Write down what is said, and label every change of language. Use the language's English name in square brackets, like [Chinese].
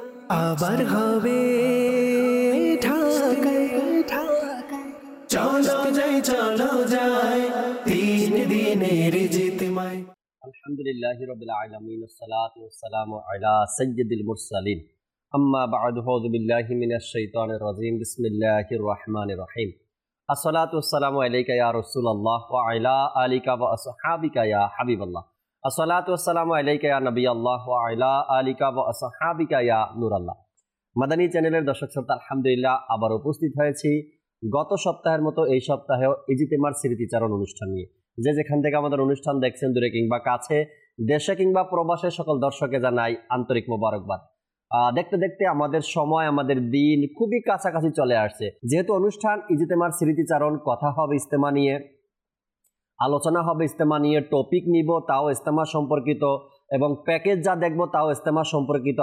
[Bangla] খবর হবে ঠাকাই ঠাকাই চলো যাই তিন দিনের জিতমাই। [Arabic] আলহামদুলিল্লাহি রাব্বিল আলামিন والصلاه والسلام على سيد المرسلين اما بعد اعوذ بالله من الشيطان الرجيم بسم الله الرحمن الرحيم الصلاه والسلام عليك يا رسول الله وعلى اليك واصحابك يا حبيب الله الصلاه والسلام عليك يا نبي الله وعلى اليك واصحابك يا نور الله مدنی [Bangla] চ্যানেলের দর্শক শ্রোতা আলহামদুলিল্লাহ আবার উপস্থিত হয়েছি গত সপ্তাহের মতো এই সপ্তাহেও ইজতেমার স্মৃতিচারণ অনুষ্ঠান নিয়ে। যে যেখান থেকে আমাদের অনুষ্ঠান দেখছেন দূরে কিংবা কাছে দেশে কিংবা প্রবাসে সকল দর্শককে জানাই আন্তরিক মোবারকবাদ। দেখতে দেখতে আমাদের সময় আমাদের দিন খুবই কাছাকাছি চলে আসছে। যেহেতু অনুষ্ঠান ইজতেমার স্মৃতিচারণ, কথা হবে ইজতেমা নিয়ে, আলোচনা হবে ইজতেমা নিয়ে, টপিক নিব তাও ইজতেমা সম্পর্কিত এবং প্যাকেজ যা দেখব তাও ইজতেমা সম্পর্কিত।